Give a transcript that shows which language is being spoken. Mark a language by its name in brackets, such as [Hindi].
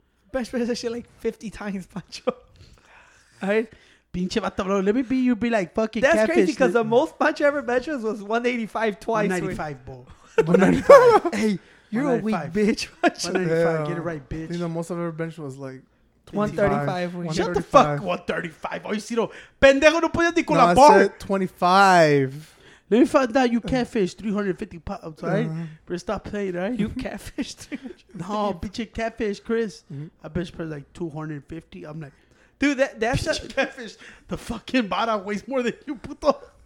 [English] Bench press that shit like 50 times, Pancho. Alright. [Spanish] Pinche vato, [English] bro. Let me be you. Be like, fucking that's catfish. Crazy because the most punch ever benches was 185 twice. 195, bro. 195. Hey, you're 195. A weak bitch. 195, get it right, bitch. You know, most of our bench was like 135. Shut the fuck, 135. [Spanish] Oye, Ciro, pendejo, no podías ni con la bar. [English] 25. Let me find out you catfish 350 pounds, right? But stop playing, right? You catfish. No, bitch, catfish, Chris. Mm-hmm. I bench press like 250. I'm like, dude, that's catfish. The fucking bottom weighs more than you, puto.